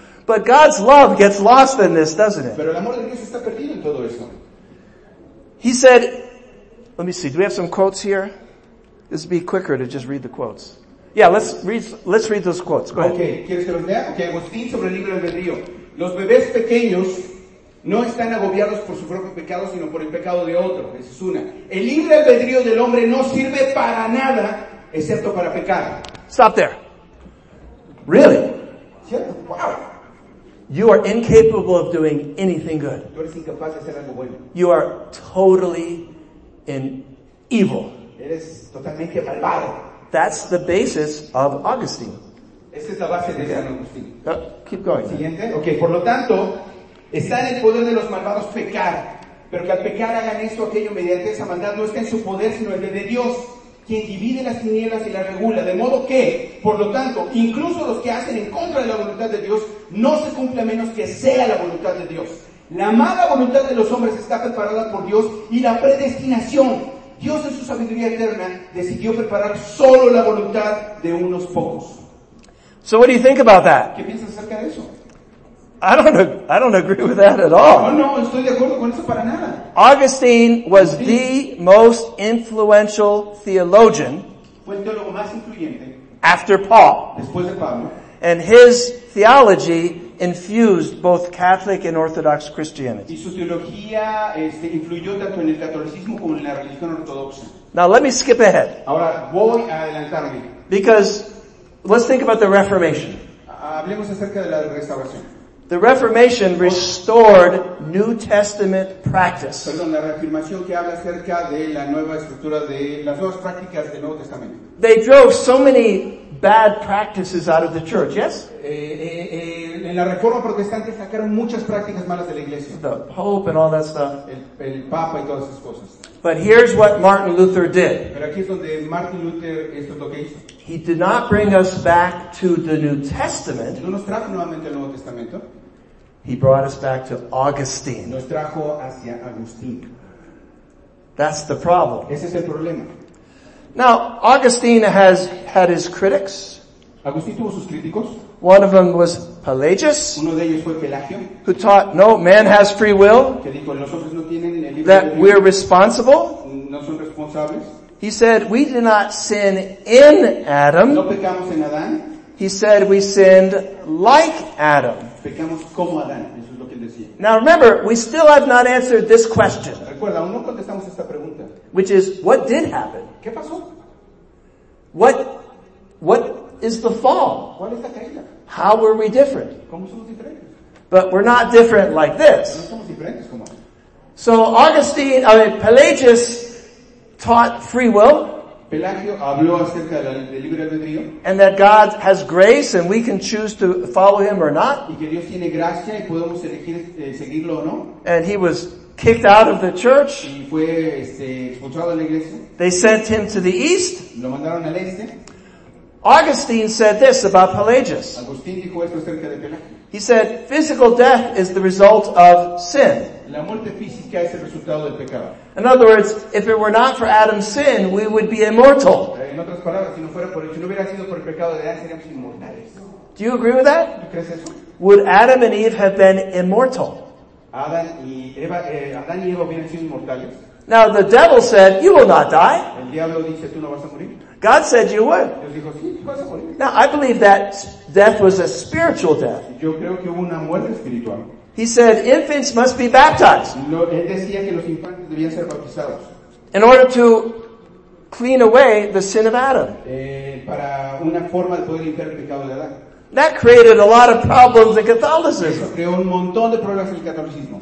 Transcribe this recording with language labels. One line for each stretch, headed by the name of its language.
English: But God's love gets lost in this, doesn't it?
Spanish: Pero el amor de Dios está perdido en todo eso.
English: He said, let me see, do we have some quotes here? This would be quicker to just read the quotes. Yeah, let's read those quotes. Go ahead.
Spanish: Okay, ¿quieres que los lea? Okay, Agustín sobre el libre albedrío. Los bebés pequeños no están agobiados por su propio pecado, sino por el pecado de otro. Esa es una. El libre albedrío del hombre no sirve para nada, excepto para pecar.
English: Stop there. Really?
Spanish: ¿Cierto? Wow.
English: You are incapable of doing anything good.
Spanish: Tú eres incapaz de hacer algo bueno.
English: You are totally in evil.
Spanish: Eres totalmente malvado.
English: That's the basis of Augustine.
Spanish: Esa es la base de San Agustín.
English: Keep going.
Spanish: Siguiente. Okay, por lo tanto, está en el poder de los malvados pecar, pero que al pecar hagan esto o aquello mediante esa maldad no está en su poder, sino el de Dios, quien divide las tinieblas y las regula. De modo que, por lo tanto, incluso los que hacen en contra de la voluntad de Dios, no se cumple a menos que sea la voluntad de Dios. La mala voluntad de los hombres está preparada por Dios y la predestinación. Dios en su sabiduría eterna decidió preparar solo la voluntad de unos pocos.
English: So what do you think about that?
Spanish: ¿Qué piensas acerca de eso?
English: I don't agree with that at all.
Spanish: No, no estoy de acuerdo con eso para nada.
English: Augustine was the most influential theologian.
Spanish: Fue el teólogo más influyente.
English: After Paul.
Spanish: Después de Pablo.
English: And his theology infused both Catholic and Orthodox Christianity.
Spanish: Y su teología influyó tanto en el catolicismo como en la religión ortodoxa.
English: Now let me skip ahead.
Spanish: Ahora voy a adelantarme.
English: Because let's think about the Reformation.
Spanish: Hablemos acerca de la restauración.
English: The Reformation restored New Testament practice.
Spanish: Perdón, la reafirmación que habla acerca de la nueva estructura de las nuevas prácticas del Nuevo Testamento.
English: They drove so many bad practices out of the church, yes?
Spanish: En la reforma protestante sacaron muchas prácticas malas de la iglesia.
English: The Pope and all that stuff.
Spanish: El Papa y todas esas cosas.
English: But here's what Martin Luther did.
Spanish: Pero aquí es donde Martin Luther, esto es lo que hizo.
English: He did not bring us back to the New Testament.
Spanish: No nos trajo nuevamente al Nuevo Testamento.
English: He brought us back to Augustine.
Spanish: Nos trajo hacia Agustín.
English: That's the problem.
Spanish: Ese es el problema.
English: Now, Augustine has had his critics.
Spanish: Agustín tuvo sus críticos.
English: One of them was Pelagius.
Spanish: Uno de ellos fue Pelagio.
English: Who taught, no, man has free will.
Spanish: Que dijo, los hombres no tienen el libre
English: that we're responsible.
Spanish: No son responsables.
English: He said, we did not sin in Adam.
Spanish: No pecamos en Adán.
English: He said, we sinned like Adam.
Spanish: Pecamos como Adán. Eso es lo que él decía.
English: Now remember, we still have not answered this question.
Spanish: Recuerda, aún no contestamos esta pregunta.
English: Which is, what did happen?
Spanish: ¿Qué pasó?
English: What is the fall?
Spanish: ¿Cuál es la caída?
English: How were we different?
Spanish: ¿Cómo somos diferentes?
English: But we're not different like this.
Spanish: No somos diferentes como.
English: So Augustine, I mean, Pelagius, taught free will.
Spanish: Pelagio habló acerca del libre albedrío.
English: And that God has grace and we can choose to follow him or not.
Spanish: Y que Dios tiene gracia y podemos elegir seguirlo o no.
English: And he was kicked out of the church.
Spanish: Y fue expulsado de la iglesia.
English: They sent him to the east.
Spanish: Lo mandaron al este.
English: Augustine said this about Pelagius.
Spanish: Agustín dijo esto acerca de Pelagio.
English: He said, physical death is the result of sin.
Spanish: La muerte física es el resultado del pecado.
English: In other words, if it were not for Adam's sin, we would be immortal.
Spanish: En otras palabras, si no fuera por eso, si no hubiera sido por el pecado de Adán, seríamos inmortales.
English: Do you agree with that?
Spanish: ¿Tú crees eso?
English: Would Adam and Eve have been immortal?
Spanish: Adán y Eva hubieran sido inmortales.
English: Now the devil said, you will not die.
Spanish: El diablo dice, tú no vas a morir.
English: God said you would.
Spanish: Dios dijo, sí, tú vas a morir.
English: Now I believe that death was a spiritual death.
Spanish: Yo creo que hubo una muerte espiritual.
English: He said infants must be baptized.
Spanish: Él decía que los infantes debían ser bautizados.
English: In order to clean away the sin of Adam.
Spanish: Para una forma de poder limpiar el pecado de Adán.
English: That created a lot of problems in Catholicism.
Spanish: Eso creó un montón de problemas en el catolicismo.